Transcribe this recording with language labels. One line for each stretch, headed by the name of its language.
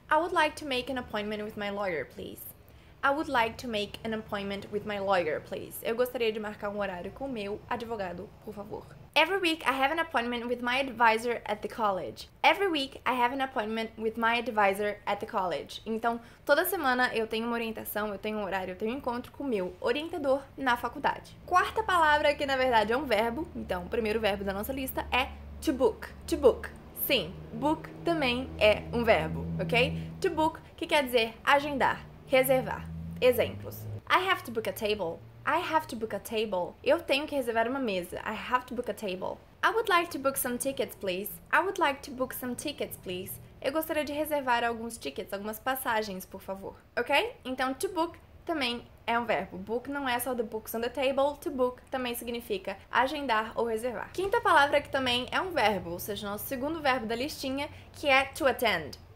English: I would like to make an appointment with my lawyer, please. I would like to make an appointment with my lawyer, please.
Portuguese: Eu gostaria de marcar um horário com o meu advogado, por favor.
English: Every week I have an appointment with my advisor at the college. Every week I have an appointment with my advisor at the college.
Portuguese: Então, toda semana eu tenho uma orientação, eu tenho um horário, eu tenho um encontro com o meu orientador na faculdade. Quarta palavra, que na verdade é um verbo, então, o primeiro verbo da nossa lista é to book. To book. Sim, book também é um verbo, ok? To book, que quer dizer agendar, reservar. Exemplos.
English: I have to book a table. I have to book a table.
Portuguese: Eu tenho que reservar uma mesa.
English: I have to book a table. I would like to book some tickets, please. I would like to book some tickets, please.
Portuguese: Eu gostaria de reservar alguns tickets, algumas passagens, por favor. Ok? Então, to book também é um verbo. Book não é só
English: the books on the table.
Portuguese: To book também significa agendar ou reservar. Quinta palavra que também é um verbo, ou seja, nosso segundo verbo da listinha, que é to attend.